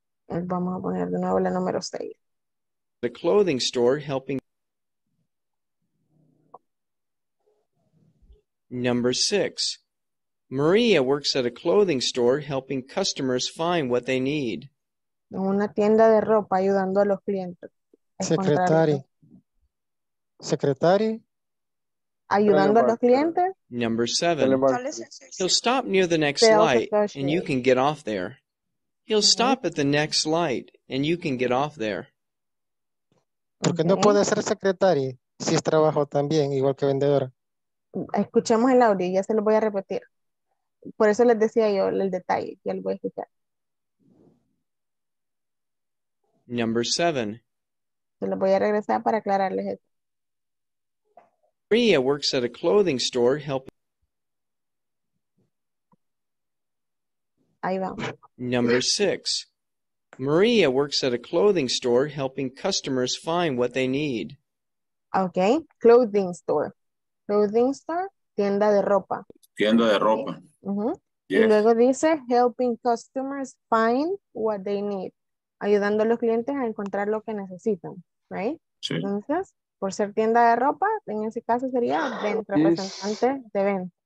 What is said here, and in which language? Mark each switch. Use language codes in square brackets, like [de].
[es] Vamos a poner de nuevo la número 6. [en] The clothing store helping. Number six, Maria works at a clothing store helping customers find what they need. [es] En una tienda de ropa ayudando a los clientes. [en] Secretary. Secretary. [es] ayudando a los clientes. [en] Number seven. He'll stop near the next light and you can get off there. He'll stop at the next light and you can get off there. [es] Porque no puede ser secretaria si es trabajo también, igual que vendedora. Escuchemos el audio, ya se lo voy a repetir. Por eso les decía yo el detalle, ya lo voy a escuchar. [en] Number seven. [es] Se lo voy a regresar para aclararles esto. [en] Maria works at a clothing store helping. [es] Ahí va. [en] Number six. Maria works at a clothing store helping customers find what they need. Okay, clothing store. Clothing store, [es] tienda de ropa. Tienda de ropa. Uh-huh. [en] Yes. [es] Y luego dice, [en] helping customers find what they need. [es] Ayudando a los clientes a encontrar lo que necesitan. [en] Right? [es] Sí. Entonces, por ser tienda de ropa, en ese caso sería vent, representante de vent.